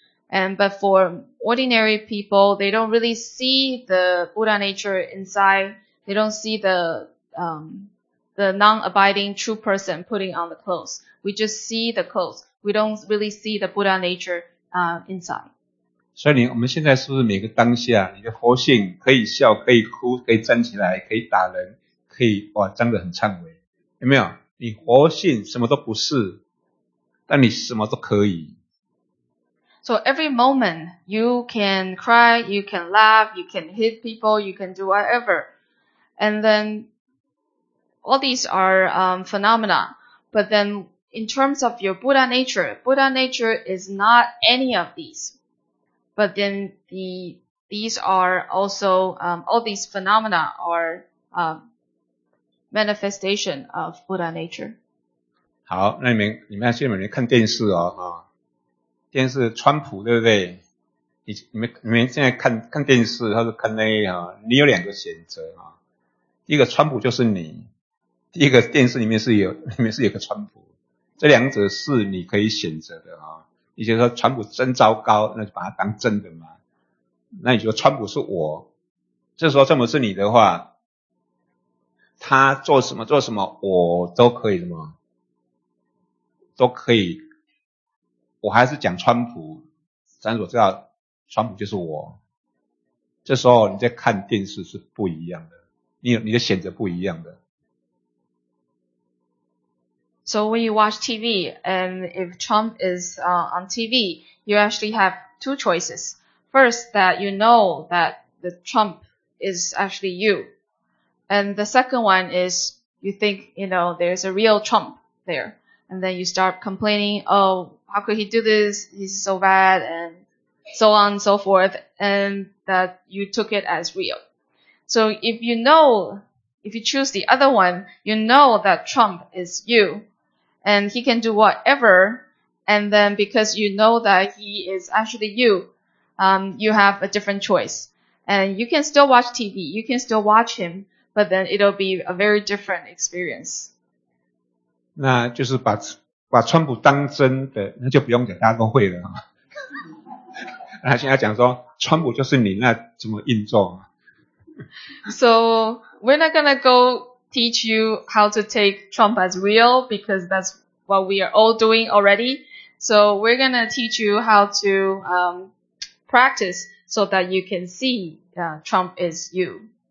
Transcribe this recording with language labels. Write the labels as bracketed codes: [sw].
[en] And, but for ordinary people, they don't really see the Buddha nature inside. They don't see the non-abiding true person putting on the clothes. We just see the clothes. We don't really see the Buddha nature, inside. [zh] 所以你我们现在是不是每个当下你的佛性可以笑可以哭可以站起来可以打人可以哇张得很忏悔。有没有你佛性什么都不是但你什么都可以。 [en] So every moment, you can cry, you can laugh, you can hit people, you can do whatever. And then all these are phenomena. But then in terms of your Buddha nature is not any of these. But then these are also, all these phenomena are manifestation of Buddha nature. [zh] 好那你们现在每天看电视哦。电视川普对不对？你们现在看电视或者看那个啊，你有两个选择啊。第一个川普就是你，第一个电视里面是有个川普，这两者是你可以选择的啊。你觉得说川普真糟糕，那就把它当真的嘛。那你说川普是我，这时候川普是你的话，他做什么我都可以什么，都可以。我还是讲川普，但是我知道川普就是我。这时候你在看电视是不一样的，你的选择不一样的。 [en] So when you watch TV, and if Trump is on TV, you actually have two choices. First, that you know that the Trump is actually you. And the second one is you think, you know, there's a real Trump there. And then you start complaining, oh, how could he do this? He's so bad and so on and so forth. And that you took it as real. So if you know, if you choose the other one, you know that Trump is you. And he can do whatever, and then because you know that he is actually you, you have a different choice. And you can still watch TV, you can still watch him, but then it'll be a very different experience. [zh] 那就是把川普当真的，那就不用讲大家都会了。那现在讲说，川普就是你，那怎么运作？ [en] So, we're not gonna go... teach you how to take Trump as real because that's what we are all doing already. So we're going to teach you how to practice so that you can see Trump is you.